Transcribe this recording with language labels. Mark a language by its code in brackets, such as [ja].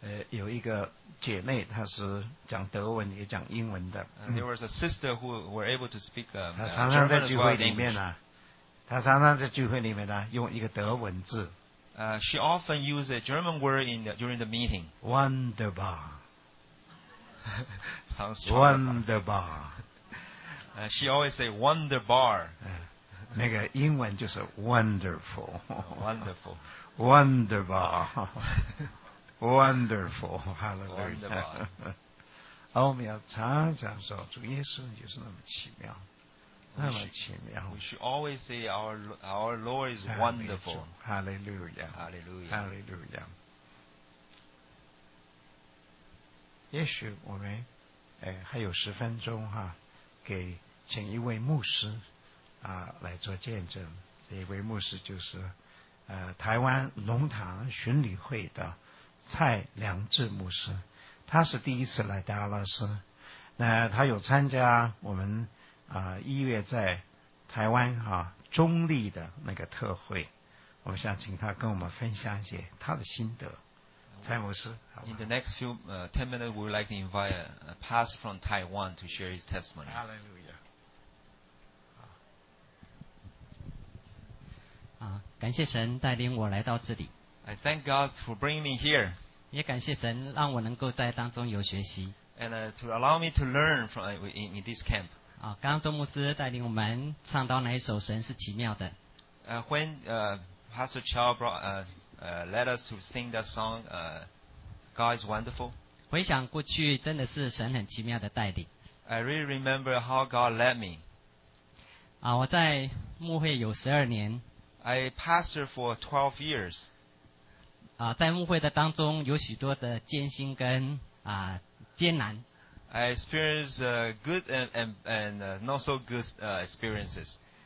[zh] 有一个姐妹，她是讲德文也讲英文的。 [en] There was a sister who were able to speak German as well as English. [zh] 她常常在聚会里面呢、她常常在聚会里面呢、用一个德文字。 [en] She often used a German word during the meeting. [de] Wunderbar. [en] Sounds charming. Wunderbar. She always say Wunderbar. [zh] 那个英文就是 Wonderful. [en] Wonderful. Wunderbar. Wonderful, hallelujah. [zh] 好，我们要常常说主耶稣就是那么奇妙，那么奇妙。 [en] We should always say our Lord is wonderful. Hallelujah. Hallelujah. Hallelujah. [zh] 也许我们还有十分钟哈，给请一位牧师来做见证。这一位牧师就是台湾龙潭巡理会的蔡良智牧师，他是第一次来达拉斯，那他有参加我们一月在台湾中立的那个特会，我们想请他跟我们分享一些他的心得。蔡牧师 [en] ，In the next few 10 minutes, we would like to invite a pastor from Taiwan to share his testimony. Hallelujah. [zh] 感谢神带领我来到这里。 [en] I thank God for bringing me here. [zh] 也感谢神让我能够在当中有学习。 [en] And to allow me to learn from in this camp. [zh] 刚刚周牧师带领我们唱到哪一首《神是奇妙的》 [en] When Pastor Chow brought led us to sing that song, God is wonderful. [zh] 回想过去，真的是神很奇妙的带领。 [en] I really remember how God led me. [zh] 我在牧会有12年。 [en] I pastored for 12 years. [zh] 在牧会的当中有许多的艰辛跟艰难。 [en] I experienced good and not so good experiences.